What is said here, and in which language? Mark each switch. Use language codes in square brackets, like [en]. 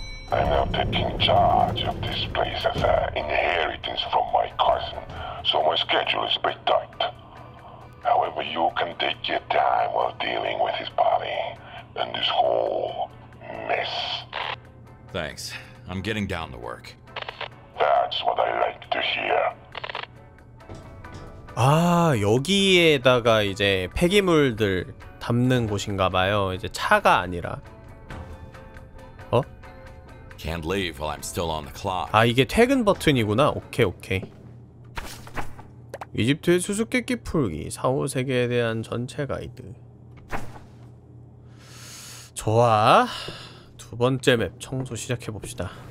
[en] I'm now taking charge of this place as an inheritance from my cousin, so my schedule is a bit tight. However, you can take your time while dealing with his body and this whole mess. Thanks. I'm getting down to work. That's what I like to hear. [ko] 아, 여기에다가 이제 폐기물들 담는 곳인가 봐요. 이제 차가 아니라. [en] Can't leave while I'm still on the clock. [ko] 아, 이게 퇴근 버튼이구나. 오케이, 오케이. 이집트의 수수께끼 풀기 4호 세계에 대한 전체 가이드. 좋아. 두 번째 맵 청소 시작해 봅시다.